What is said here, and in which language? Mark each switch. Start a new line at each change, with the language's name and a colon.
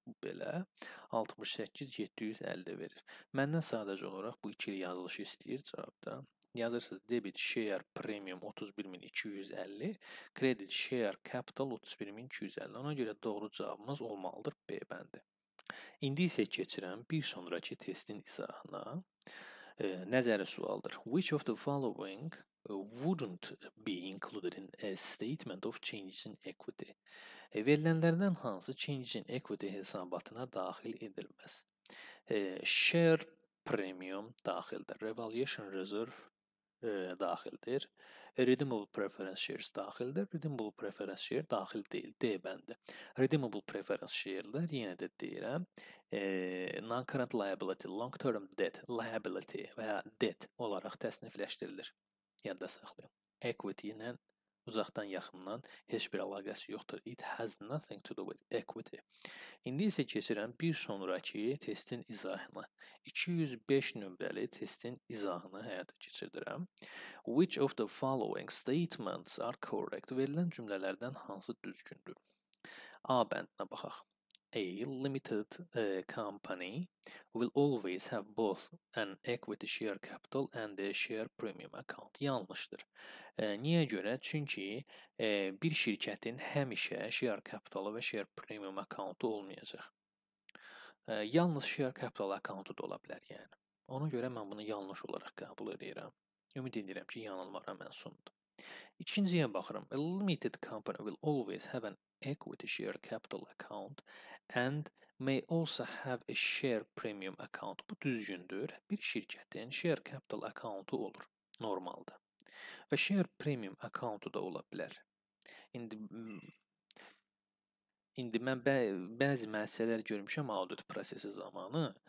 Azerbaijani: Bu belə 68,750 verir. Məndən sadəcə olaraq bu ikili yazılışı istəyir cavabda.
English: Yazırsınız debit share premium 31.250, credit share capital 31.250.
Azerbaijani: Ona görə doğru cavabımız olmalıdır B bəndi. İndi isə keçirəm bir sonraki testin izahına. Nəzəri sualdır.
English: Which of the following wouldn't be included in a statement of changes in equity?
Azerbaijani: Verilənlərdən hansı changes in equity hesabatına daxil edilməz? Share premium daxildir. Revaluation reserve daxildir. Redeemable preference shares daxildir. Redeemable preference share daxil deyil. D bəndi. Redeemable preference share-lər yenə də deyirəm. Non-current liability, long-term debt, liability və ya debt olaraq təsnifləşdirilir. Yadda saxlayın. Equity ilə uzaqdan yaxından heç bir əlaqəsi yoxdur.
English: It has nothing to do with equity.
Azerbaijani: İndi isə keçirəm bir sonraki testin izahını. 205 nömrəli testin izahını həyata keçirdirəm.
English: Which of the following statements are correct?
Azerbaijani: Verilən cümlələrdən hansı düzgündür? A bəndinə baxaq.
English: A limited company will always have both an equity share capital and a share premium account.
Azerbaijani: Yanlışdır. Niyə görə? Çünki bir şirkətin həmişə share capitalı və share premium accountu olmayacaq. Yalnız share capital accountu da ola bilər yəni. Ona görə mən bunu yanlış olaraq qəbul edirəm. Ümid edirəm ki, yanılmaram mən sonunda. İkinciyə baxıram.
English: A limited company will always have an equity share capital account and may also have a share premium account.
Azerbaijani: Bu düzgündür. Bir şirkətin share capital accountu olur normalda. Və share premium accountu da ola bilər. İndi mən bəzi məsələlər görmüşəm audit prosesi zamanı.